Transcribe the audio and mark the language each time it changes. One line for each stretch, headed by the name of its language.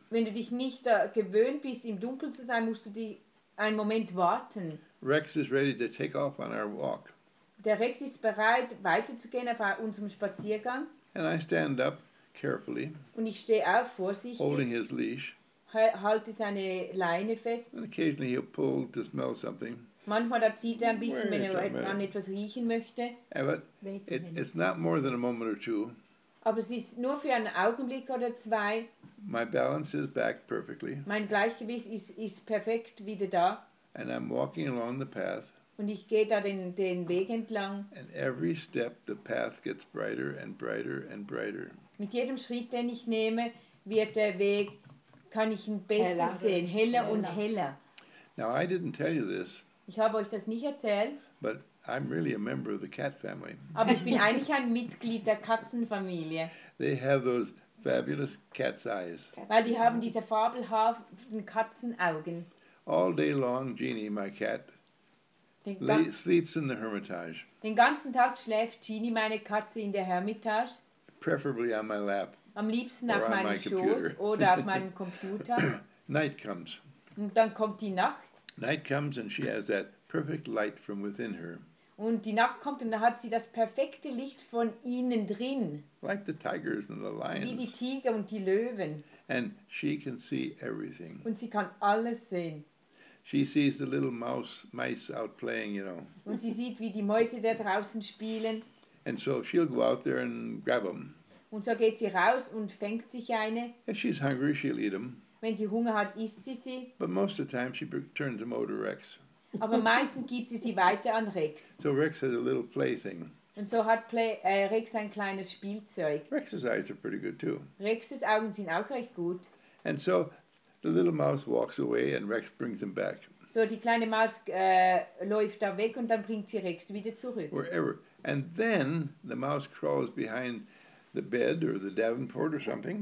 German: Wenn du dich nicht gewöhnt bist, im Dunkeln zu sein, musst du dich einen Moment warten.
English: Rex is ready to take off on our walk.
German: Der Rex ist bereit, weiterzugehen auf unserem Spaziergang.
English: And I stand up carefully.
German: Und ich stehe auf vorsichtig.
English: Holding his leash.
German: Halte seine Leine fest.
English: And occasionally he'll pull to smell something.
German: Manchmal da zieht ein bisschen, wenn er an etwas riechen möchte.
English: It's not more than a moment or two.
German: Aber es ist nur für einen Augenblick oder zwei.
English: My balance is back perfectly.
German: Mein Gleichgewicht ist perfekt wieder da.
English: And I'm walking along the path.
German: Und ich gehe da den Weg entlang.
English: And every step the path gets brighter and brighter and brighter.
German: Mit jedem Schritt, den ich nehme, wird der Weg, kann ich ihn besser heller sehen, heller und heller.
English: Now I didn't tell you this.
German: Ich habe euch das nicht erzählt.
English: But I'm really a member of the cat family.
German: Aber ich bin eigentlich ein Mitglied der Katzenfamilie.
English: They have those fabulous cat's eyes.
German: Weil die haben diese fabelhaften Katzenaugen.
English: All day long, Jeannie, my cat, sleeps in the Hermitage.
German: Den ganzen Tag schläft Jeannie, meine Katze, in der Hermitage.
English: Preferably on my lap.
German: Am liebsten auf meinem Schoß oder auf meinem Computer.
English: Night comes.
German: Und dann kommt die Nacht.
English: Night comes and she has that perfect light from within her.
German: Und die Nacht kommt und dann hat sie das perfekte Licht von innen drin.
English: Like the tigers and the lions.
German: Wie die Tiger und die Löwen.
English: And she can see everything.
German: Und sie kann alles sehen.
English: She sees the little mice out playing, you know.
German: Und sie sieht, wie die Mäuse da draußen spielen.
English: And so she'll go out there and grab them.
German: Und so geht sie raus und fängt sich eine.
English: If she's hungry, she'll eat them.
German: Wenn sie Hunger hat, isst sie sie.
English: But most of the time she turns them over to Rex.
German: Aber meistens gibt sie sie weiter an Rex.
English: So Rex has a little plaything.
German: Und so hat Rex ein kleines Spielzeug.
English: Rex's eyes are pretty good too.
German: Rex's Augen sind auch recht gut.
English: And so the little mouse walks away and Rex brings him back.
German: So die kleine Maus läuft da weg und dann bringt sie Rex wieder zurück.
English: Wherever. And then the mouse crawls behind the bed or the Davenport or something.